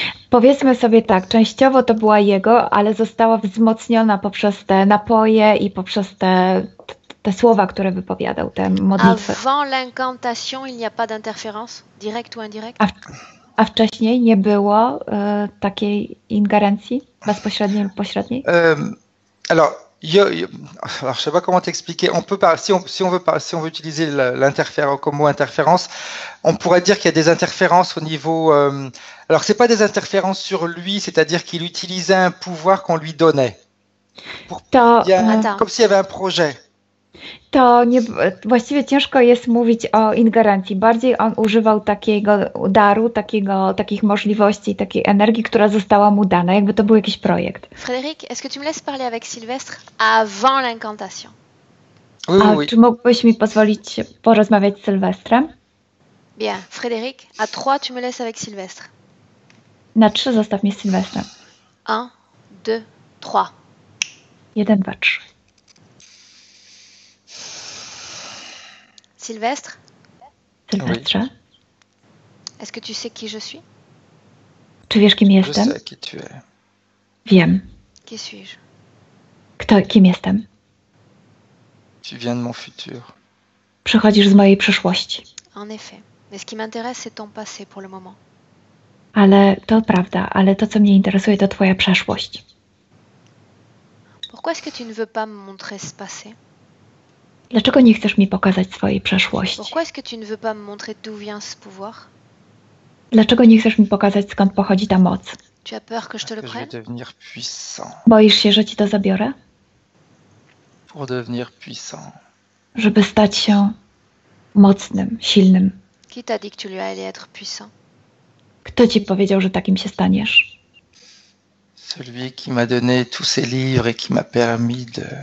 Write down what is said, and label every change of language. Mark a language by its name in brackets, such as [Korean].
[Polish] Powiedzmy sobie tak, częściowo to była jego, ale została wzmocniona poprzez te napoje i poprzez te słowa, które wypowiadał, te modlitwy. [French] Avant l'incantation, il n'y a pas d'interférence, direct ou indirect? [Polish] A wcześniej nie było takiej ingerencji bezpośredniej lub pośredniej? [French] Alors, alors, je sais pas comment t'expliquer. On peut pas, si on veut utiliser l'interférence comme mot interférence, on pourrait dire qu'il y a des interférences au niveau. Alors, c'est pas des interférences sur lui, c'est-à-dire qu'il utilisait un pouvoir qu'on lui donnait. Comme s'il y avait un projet. [Polish] To nie, właściwie ciężko jest mówić o ingerencji. Bardziej on używał takiego daru, takich możliwości, takiej energii, która została mu dana, jakby to był jakiś projekt. [French] Frédéric, est-ce que tu me laisses parler avec Sylvestre avant l'incantation? Oui, oui, oui. [Polish] Czy mógłbyś mi pozwolić porozmawiać z Sylwestrem? [French] Bien, Frédéric, à trois, tu me laisses avec Sylvestre. [Polish] Na trzy zostaw mnie z Sylwestrem. [French] Un, deux, trois. [Polish] Jeden, dwa, trzy. [French] Sylvestre? Sylvestre? Oui. Est-ce que tu sais qui je suis? [Polish] Tu wiesz, kim [French] je [Polish] jestem? [French] Sais qui tu es. [Polish] Wiem. [French] Qui suis-je? [Polish] Kto, kim jestem? [French] Tu viens de mon futur. [Polish] Przychodzisz z mojej przeszłości. [French] En effet. Mais ce qui m'intéresse, c'est ton passé pour le moment. [Polish] Ale to prawda, ale to, co mnie interesuje, to twoja przeszłość. [French] Pourquoi est-ce que tu ne veux pas me montrer ce passé? [Polish] Dlaczego nie chcesz mi pokazać swojej przeszłości? [French] Pourquoi est-ce que tu ne veux pas me montrer d'où vient ce pouvoir? [Polish] Dlaczego nie chcesz mi pokazać, skąd pochodzi ta moc? [French] Tu as peur que je te le prenne? Je vais devenir puissant. [Polish] Boisz się, że ci to zabiorę? [French] Pour devenir puissant. [Polish] Żeby stać się mocnym, silnym. [French] Qui t'a dit que tu lui allais être puissant? [Polish] Kto ci powiedział, że takim się staniesz? [French] Celui qui m'a donné tous ses livres et qui m'a permis de...